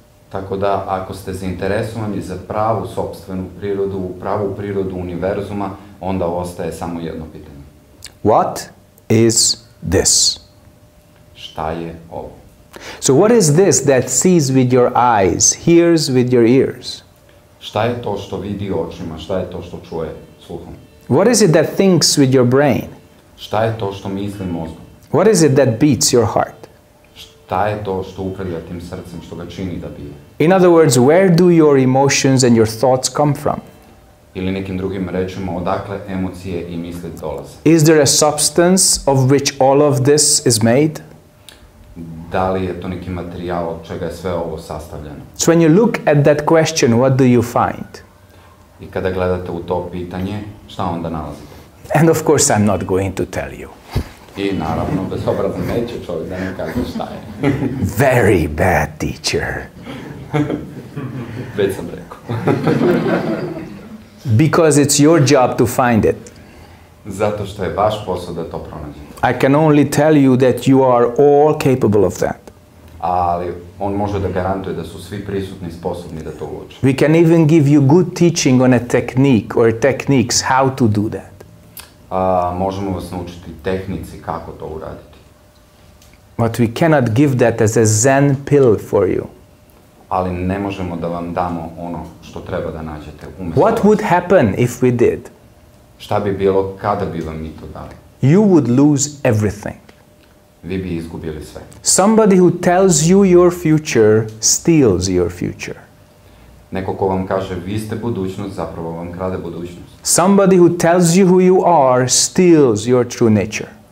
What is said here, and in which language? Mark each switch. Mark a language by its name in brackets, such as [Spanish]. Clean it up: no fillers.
[Serbian] Tako da ako ste zainteresovani za pravu sopstvenu prirodu, pravu prirodu univerzuma, onda ostaje samo jedno pitanje. [English] What is this? [Serbian] Šta je ovo? [English] So what is this that sees with your eyes, hears with your ears? [Serbian] Šta je to što vidi očima, šta je to što čuje sluhom? [English] What is it that thinks with your brain? [Serbian] Šta je to što misli mozgom? [English] What is it that beats your heart? [Serbian] Šta je to što upravlja tim srcem, što ga čini da bije? [English] In other words, where do your emotions and your thoughts come from? [Serbian] Ili nekim drugim rečima, odakle emocije I misli dolaze. [English] Is there a substance of which all of this is made? [Serbian] Da li je to neki materijal od čega je sve ovo sastavljeno? [English] So when you look at that question, what do you find? [Serbian] I kada gledate u to pitanje, šta onda nalazite? [English] And of course I'm not going to tell you. [Serbian] I naravno, bezobrazno neće čovjek da ne kaže šta je. [English] Very bad teacher. [Serbian] Već sam rekao. [English] Because it's your job to find it. [Serbian] Zato što je vaš posao da to pronađete. [English] I can only tell you that you are all capable of that. [Serbian] Ali on može da garantuje da su svi prisutni sposobni da to uoče. [English] We can even give you good teaching on a technique or techniques how to do that. [Serbian] Možemo vas naučiti tehnici kako to uraditi. [English] But we cannot give that as a Zen pill for you. [Serbian] Ali ne možemo da vam damo ono što treba da nađete umjesto. [English] What would happen if we did? [Serbian] Šta bi bilo kada bi vam mi to dali? [English] You would lose everything. [Serbian] Vi bi izgubili sve. [English] Somebody who tells you your future steals your future. [Serbian] Neko ko vam kaže vi ste budućnost, zapravo vam krade budućnost. [English] Somebody who tells you who you are steals your true nature.